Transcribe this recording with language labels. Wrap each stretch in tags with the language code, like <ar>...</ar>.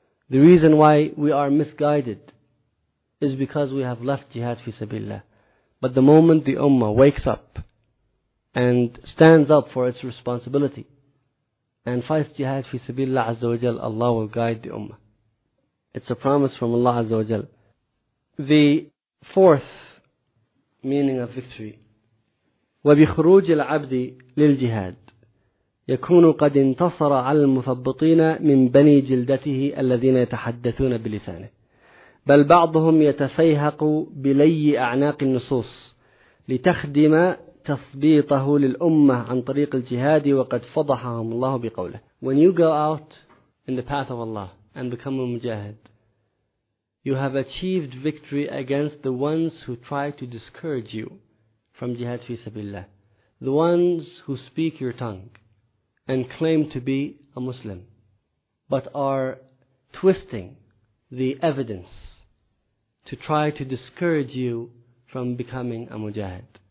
<en>The reason why we are misguided is because we have left jihad fi sabilillah. But the moment the ummah wakes up and stands up for its responsibility and fights jihad fi sabilillah azza wa jal, Allah will guide the ummah. It's a promise from Allah azza wa jal. The fourth meaning of victory,</en> <ar>وَبِخُرُوجِ الْعَبْدِ لِلْجِهَادِ يكون قد انتصر على المثبطين من بني جلدته الذين يتحدثون بلسانه بل بعضهم يتفيهق بلي أعناق النصوص لتخدم تثبيطه للأمة عن طريق الجهاد وقد فضحهم الله بقوله.</ar> <en>When you go out in the path of Allah and become a mujahid, you have achieved victory against the ones who try to discourage you from jihad fi sabilillah, the ones who speak your tongue and claim to be a Muslim, but are twisting the evidence to try to discourage you from becoming a mujahid.</en>